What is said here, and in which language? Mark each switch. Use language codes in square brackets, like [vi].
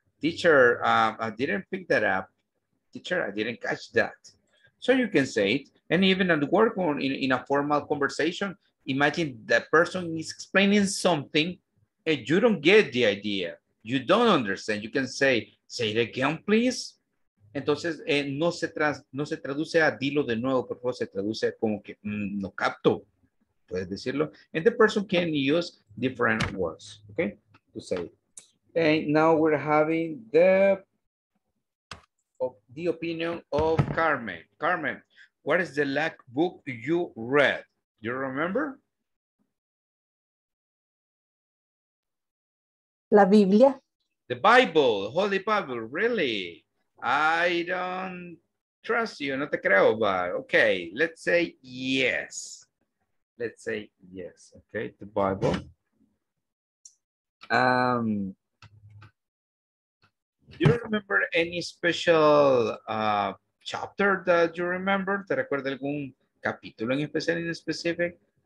[en] Teacher, I didn't pick that up. Teacher, I didn't catch that. So you can say it. And even at work or in a formal conversation, imagine that person is explaining something and you don't get the idea. You don't understand. You can say it again, please. [es] Entonces, no se traduce a dilo de nuevo, por favor, se traduce como que no capto. puedes decirlo. [en] And the person can use different words, okay, to say it. And now we're having the opinion of Carmen. Carmen, what is the last book you read? Do you remember? [es] La Biblia. [en] The Bible, the Holy Bible, really? I don't trust you, [es] no te creo, [en] but okay, let's say yes. Let's say yes, okay, the Bible. Do you remember any special chapter that you remember? [es] ¿Te recuerda algún capítulo en especial, en specific?